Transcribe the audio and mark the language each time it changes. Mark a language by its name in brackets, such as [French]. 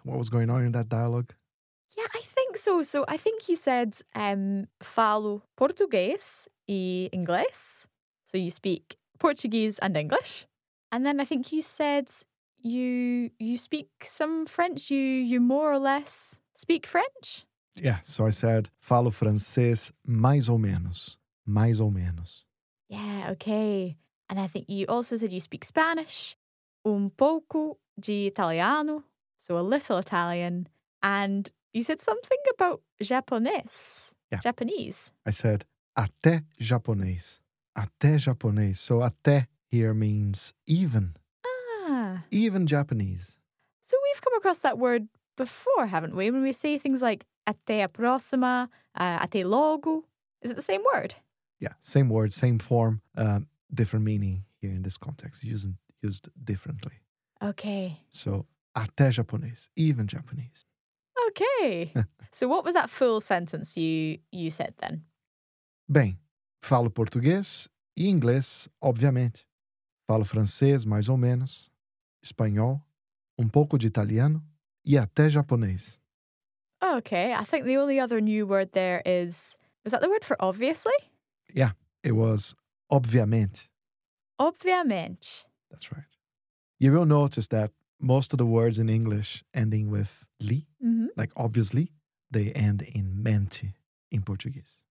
[English] What was going on in that dialogue? Yeah, I think so. So I think he said, [Portuguese] falo português e inglês. [English] So you speak Portuguese and English. And then I think you said you speak some French. You more or less speak French. Yeah, so I said, [Portuguese] falo francês mais ou menos. Mais ou menos. [English] Yeah, okay. And I think you also said you speak Spanish. [Portuguese] Un poco de italiano. [English] So a little Italian. And you said something about japonês. Yeah. Japanese. I said, [Portuguese] até japonês. Até japonês. [English] So até here means even. Ah. Even Japanese. So we've come across that word before, haven't we? When we say things like, [Portuguese] até a próxima, até logo. [English] Is it the same word? Yeah, same word, same form, different meaning here in this context, used differently. Okay. So, [Portuguese] até japonês, [English] even Japanese. Okay. So what was that full sentence you said then? [Portuguese] Bem, falo português e inglês, obviamente. Falo francês, mais ou menos. Espanhol, um pouco de italiano e até japonês. [English] Okay, I think the only other new word there is that the word for obviously? Yeah, it was obviamente. [Portuguese] Obviamente. [English] That's right. You will notice that most of the words in English ending with li, like obviously, they end in mente in Portuguese.